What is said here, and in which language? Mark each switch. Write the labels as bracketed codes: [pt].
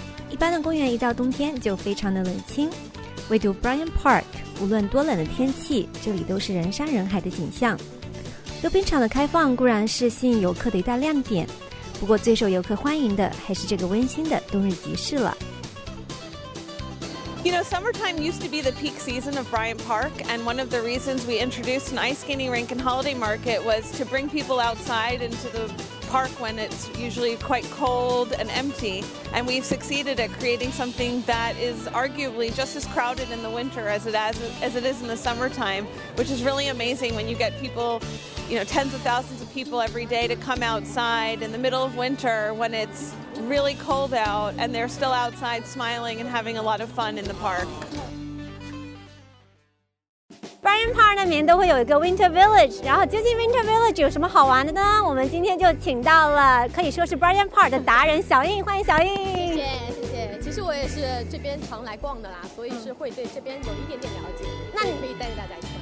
[zh] 一般的公园一到冬天就非常的冷清，唯独 Bryant Park 无论多冷的天气，这里都是人山人海的景象。溜冰场的开放固然是吸引游客的一大亮点，不过最受游客欢迎的还是这个温馨的冬日集市了。 [en] You know, summertime used to be the peak season of Bryant Park, and one of the reasons we introduced an ice skating rink and holiday market was to bring people outside into the park when it's usually quite cold and empty. And we've succeeded at creating something that is arguably just as crowded in the winter as it is in the summertime, which is really amazing when you get people, you know, tens of thousands of people every day to come outside in the middle of winter when it's really cold out and they're still outside smiling and having a lot of fun in the park. [zh] Bryant Park 那边都会有一个 Winter Village， 然后究竟 Winter Village 有什么好玩的呢？我们今天就请到了可以说是 Bryant Park 的达人小应，欢迎小应。谢谢。其实我也是这边常来逛的啦，所以是会对这边有一点点了解。那你可以带着大家一起。